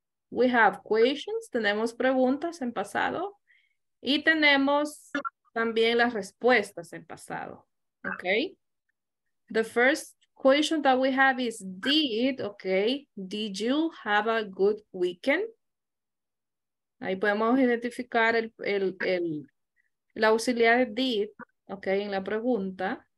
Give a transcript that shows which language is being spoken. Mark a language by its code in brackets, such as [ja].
[en] We have questions, [es] tenemos preguntas en pasado, y tenemos también las respuestas en pasado. [en] Okay, the first question that we have is did, okay, did you have a good weekend? [es] Ahí podemos identificar el auxiliar did, okay, en la pregunta.